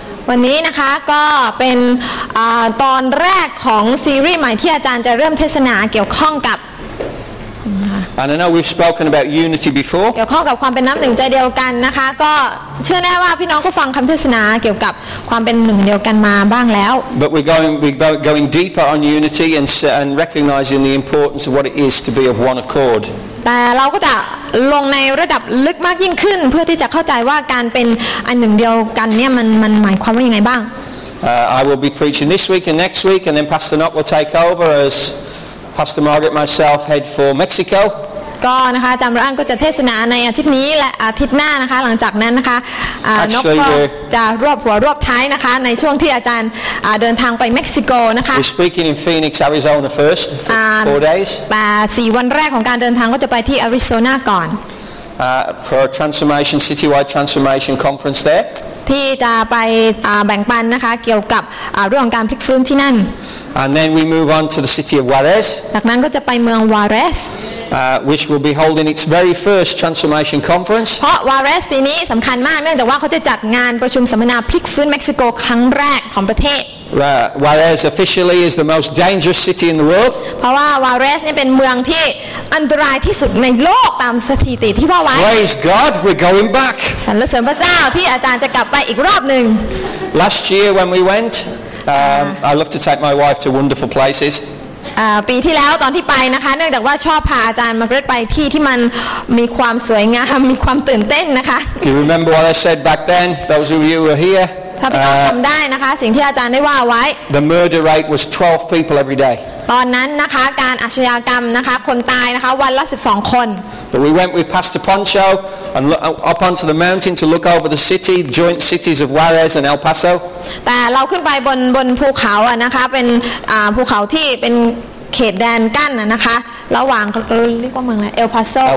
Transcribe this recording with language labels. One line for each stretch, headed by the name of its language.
Thai: วันนี้นะคะก็เป็นตอนแรกของซีรีส์ใหม่ที่อาจารย์จะเริ่มเทศนาเกี่ยวข้องกับ
English: And I know we've spoken about unity before.
Thai: เกี่ยวข้องกับความเป็นน้ำหนึ่งใจเดียวกันนะคะก็เชื่อแน่ว่าพี่น้องก็ฟังคำเทศนาเกี่ยวกับความเป็นหนึ่งเดียวกันมาบ้างแล้ว
English: But we're going deeper on unity and recognizing the importance of what it is to be of one accord.
Thai: แต่เราก็จะลงในระดับลึกมากยิ่งขึ้นเพื่อที่จะเข้าใจว่าการเป็นอันหนึ่งเดียวกันเนี่ยมันหมายความว่ายังไงบ้าง
English: I will be preaching this week and next week, and then Pastor Nock will take over as Pastor Margaret myself head for Mexico.
Thai: ก็นะคะจำร่างก็จะเทศนาในอาทิตย์นี้และอาทิตย์หน้านะคะหลังจากนั้นนะคะนกก็จะรวบหัวรวบท้ายนะคะในช่วงที่อาจารย์เดินทางไปเม็กซิโกนะคะ
English: We're speaking in Phoenix, Arizona first for 4 days.
Thai: แต่4วันแรกของการเดินทางก็จะไปที่อาริโซนาก่อน
English: for a transformation citywide transformation conference there
Thai: ที่จะไปแบ่งปันนะคะเกี่ยวกับเรื่องการพลิกฟื้นที่นั่น
English: And then we move on to the city of Juarez
Thai: จากนั้นก็จะไปเมืองวาเรส
English: which will be holding its very first transformation conference
Thai: เพราะวาเรสปีนี้สำคัญมากเนื่องจากว่าเขาจะจัดงานประชุมสัมมนาพลิกฟื้นเม็กซิโกครั้งแรกของประเทศ
English: Where officially is the most dangerous city in the world
Thai: เพราะว่าวาเรสเนี่ยเป็นเมืองที่อันตรายที่สุดในโลกตามสถิติที่ว่าไว้
English: Praise God we're going back
Thai: สรรเสริญพระเจ้าที่อาจารย์จะกลับไปอีกรอบนึง
English: Last year when we went I love to take my wife to wonderful places
Thai: ปีที่แล้วตอนที่ไปนะคะเนื่องจากว่าชอบพาอาจารย์มาเรื่อยไปที่ที่มันมีความสวยงามมีความตื่นเต้นนะคะ
English: You remember what I said back then? Those of you who are here
Thai: ถ้าพี่น้องจำได้นะคะสิ่งที่อาจารย์ได้ว่าไว้
English: The murder rate was 12 people every day
Thai: ตอนนั้นนะคะการอาชญากรรมนะคะคนตายนะคะวันละ12คน
English: But we went with Pastor Poncho and up onto the mountain to look over the city joint cities of Juarez and El Paso
Thai: แต่เราขึ้นไปบนภูเขาอ่ะนะคะเป็นภูเขาที่เป็นเขตแดนกั้นนะคะระหว่างเรียกว่าเมืองอะไรเอลพาโซ